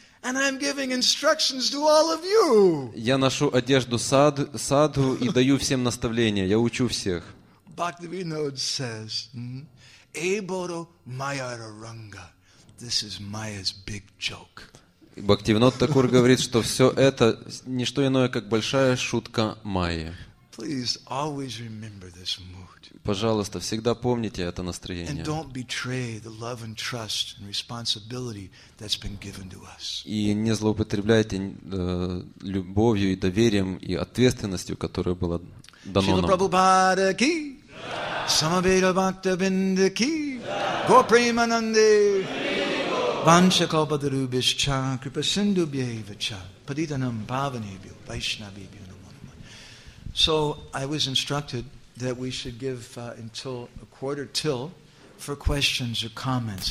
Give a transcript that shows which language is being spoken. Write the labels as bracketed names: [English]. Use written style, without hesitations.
[English] And I'm giving instructions to all of you. [Russian] Я ношу одежду садху и даю всем наставления. Я учу всех. [English] Bhaktivinoda says, [Bangla] "Eboro Mayararanga. [English] This is Maya's big joke." [Russian] Bhaktivinoda Thakur говорит, что все это не что иное, как большая шутка Майи. [English] Please always remember this mood. [Russian] Пожалуйста, всегда помните это настроение. [English] And don't betray the love and trust and responsibility that's been given to us. [Russian] И не злоупотребляйте любовью и доверием и ответственностью, которая была дана нам. [Sanskrit] Шрила Прабхупада ки, Самаведа Бхактавинда ки, Гопремананде, Ванша Калпатарубишча, Крипасиндубьевича, Падитанам Бхаванебью, Вайшнавебью. [English] So I was instructed that we should give until a quarter till for questions or comments.